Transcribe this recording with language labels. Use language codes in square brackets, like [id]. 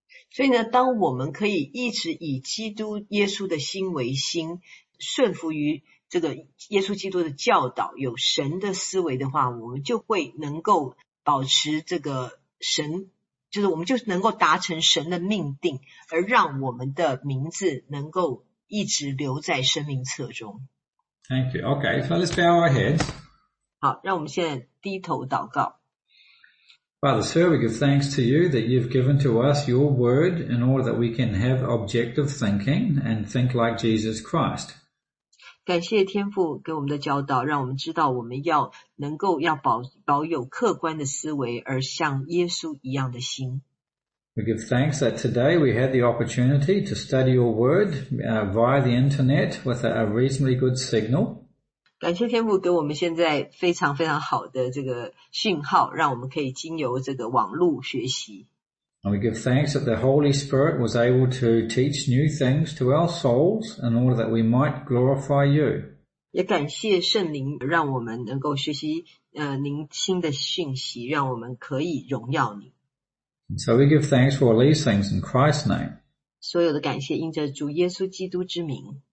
[zh] 所以呢，当我们可以一直以基督耶稣的心为心，顺服于这个耶稣基督的教导，有神的思维的话，我们就会能够保持这个神，就是我们就能够达成神的命定，而让我们的名字能够一直留在生命册中。 [en] Thank you. Okay, so let's bow our heads. [zh] 好，让我们现在低头祷告。 [en] Father, sir, we give thanks to you that you've given to us your word in order that we can have objective thinking and think like Jesus Christ. [zh] 感谢天父给我们的教导，让我们知道我们要能够要保有客观的思维，而像耶稣一样的心。 [en] We give thanks that today we had the opportunity to study your word via the internet with a reasonably good signal. [zh] 感谢天父给我们现在非常非常好的这个讯号，让我们可以经由这个网路学习。 [en] And we give thanks that the Holy Spirit was able to teach new things to our souls in order that we might glorify you. [zh] 也感谢圣灵让我们能够学习您新的讯息，让我们可以荣耀你。 [en] And so we give thanks for all these things in Christ's name. [zh] 所有的感谢因着主耶稣基督之名。